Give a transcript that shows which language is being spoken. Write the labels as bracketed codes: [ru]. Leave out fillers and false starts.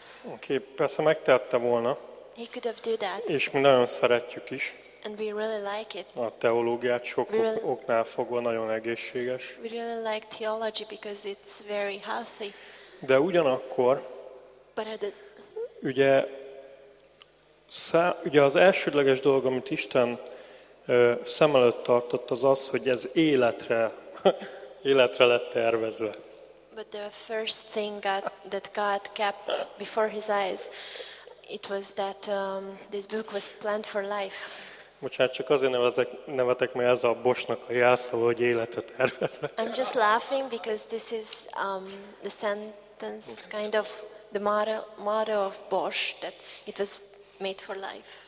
[hu] Okay, persze megtehette volna. [en] He could have done that. [hu] És mi nagyon szeretjük is. [en] And we really like it. [hu] A teológiát sok oknál fogva nagyon egészséges. [en] We really like theology because it's very healthy. [hu] De ugyanakkor, ugye az elsődleges dolog, amit Isten szem előtt tartott, az, hogy ez életre lett tervezve. [en] But the first thing that God kept before his eyes, it was that this book was planned for life. [hu] Bocsánat, csak azért nevetek, mert ez a Boschnak a jelszó, hogy életet tervezve. [en] I'm just laughing because this is the repentance, okay. Kind of the motto of Bosch, that it was made for life.